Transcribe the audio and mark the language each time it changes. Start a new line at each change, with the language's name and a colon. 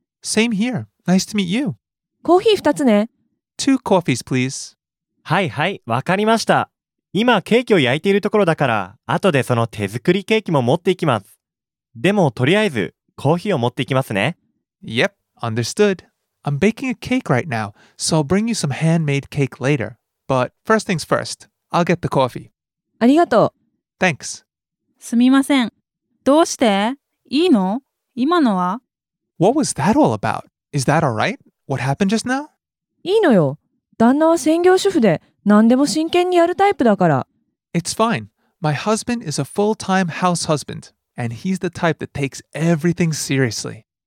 English: Same here. Nice to meet you.
Japanese: コーヒー二つね。
English: Two coffees, please.
Japanese: はいはい、わかりました。今ケーキを焼いているところだから、後でその手作りケーキも持っていきます。でもとりあえずコーヒーを持って行きますね。
English: Yep, understood. I'm baking a cake right now, so I'll bring you some handmade cake later. But first things first, I'll get the coffee.
Japanese: ありがとう。
English: Thanks.
Japanese: すみません。どうして?いいの?今のは?
English: What was that all about? Is that all right? What happened just now?
Japanese: いいのよ。旦那は専業主婦で何でも真剣にやるタイプだから。
English: It's fine. My husband is a full-time house husband, and he's the type that takes everything seriously.